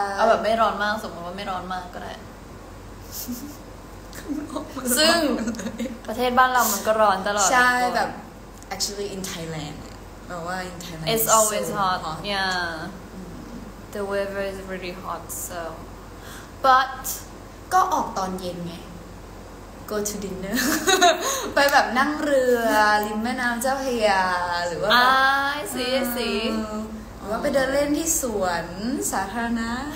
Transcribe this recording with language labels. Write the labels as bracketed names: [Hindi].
[Thai] เอาแบบไม่ร้อนมากสมมติว่าไม่ร้อนมากก็ได้ ซึ่งประเทศบ้านเรามันก็ร้อนตลอด ใช่แบบ [English] actually in Thailand [Thai] แปลว่า [English] in Thailand it's always hot yeah the weather is really hot so but [Thai] ก็ออกตอนเย็นไง [English] Go to dinner [Thai] ไปแบบนั่งเรือริมแม่น้ำเจ้าพระยาหรือว่า ไอ้สีสี หรือว่าไปเดินเล่นที่สวนสาธารณะ